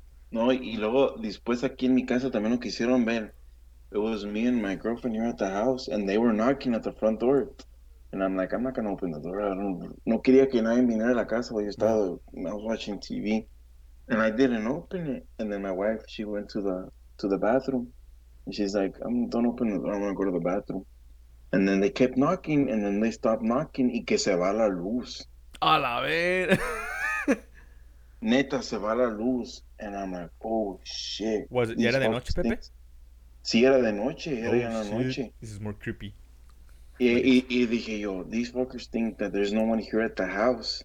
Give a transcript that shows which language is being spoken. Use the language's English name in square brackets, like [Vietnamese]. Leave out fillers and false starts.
[Spanish] No, y luego después aquí en mi casa también lo quisieron ver. [English] It was me and my girlfriend here at the house, and they were knocking at the front door. And I'm like, I'm not going to open the door. [Spanish] No quería que nadie viniera a la casa. [English] I was watching TV. And I didn't open it. And then my wife, she went to the bathroom. And she's like, don't open the door. I'm going to go to the bathroom. And then they kept knocking, and then they stopped knocking. [Spanish] Y que se va la luz. A la ver. Neta, se va la luz. [English] And I'm like, oh, shit. Was it [Spanish] era de noche, [English] Pepe? Things. [Spanish] Sí, era de noche, era ya la noche. [English] This is more creepy. [Spanish] Y dije yo, [English] these fuckers think that there's no one here at the house.